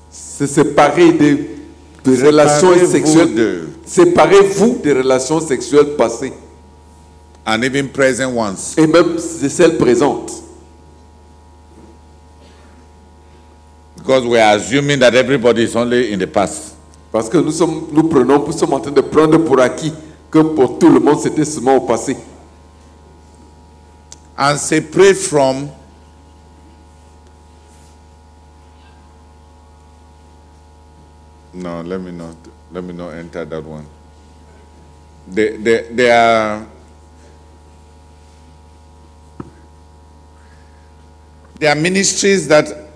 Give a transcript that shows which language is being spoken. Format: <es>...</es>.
<fr>Se séparer des relations sexuelles. Séparez-vous des relations sexuelles passées.</fr> <en>And even present ones.</en> <fr>Et même de celles présentes.</fr> <en>Because we are assuming that everybody is only in the past.</en> <fr>Parce que nous sommes en train de prendre pour acquis que pour tout le monde c'était seulement au passé.</fr> <en>And separate from no, let me not enter that one. They are there are ministries that</en>